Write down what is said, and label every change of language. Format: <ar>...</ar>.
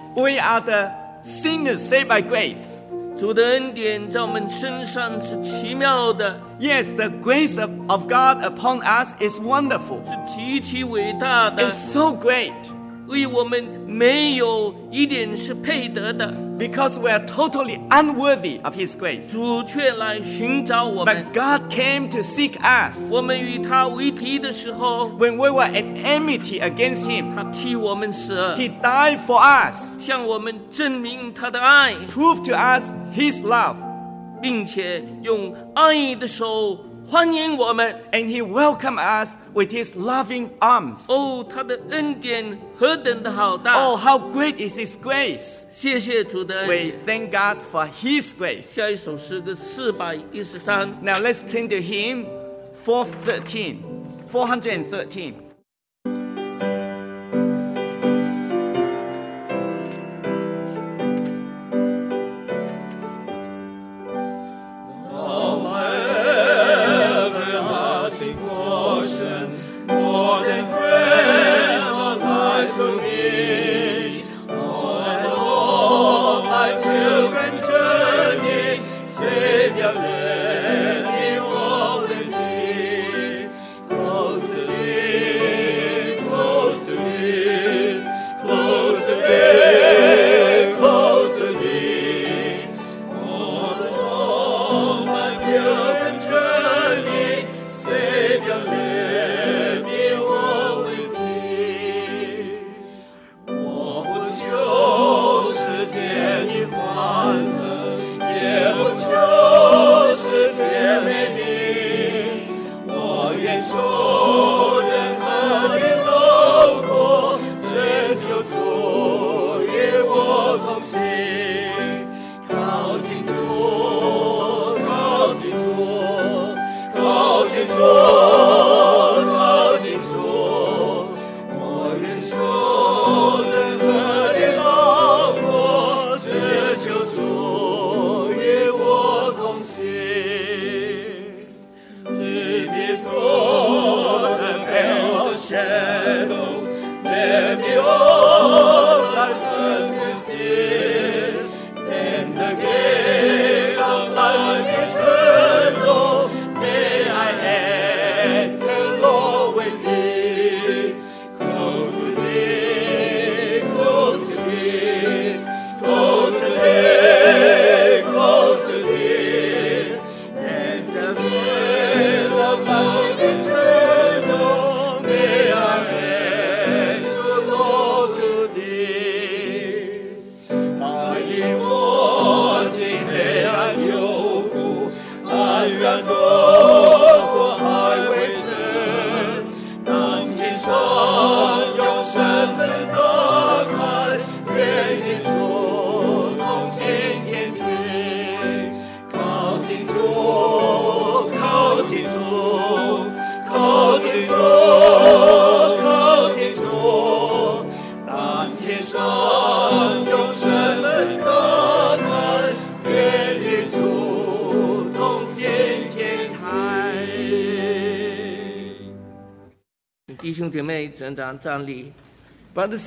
<en>，We are the sinners saved by grace。</en> <zh>主的恩典在我们身上是奇妙的</zh> <en>，Yes， the grace of God upon us is wonderful，</en> <zh>是极其伟大的</zh> <en>，It's so great。</en> <zh>为我们没有一点是配得的</zh> <en>，because we are totally unworthy of His grace。</en> <zh>主却来寻找我们</zh> <en>，but God came to seek us。</en> <zh>我们与他为敌的时候</zh> <en>，when we were at enmity against Him，</en> <zh>他替我们死</zh> <en>，He died for us，</en> <zh>向我们证明他的爱</zh> <en>，prove to us His love，</en> <zh>并且用爱的手。欢迎我们</zh> <en>and he welcomed us with his loving arms.</en> <zh>Oh, 他的恩典何等的好大</zh> <en>Oh, how great is his grace.</en> <zh>谢谢主的恩典</zh> <en>We thank God for his grace.</en> <zh>下一首诗歌413</zh> <en>Now let's turn to hymn 413. 413Brothers</en>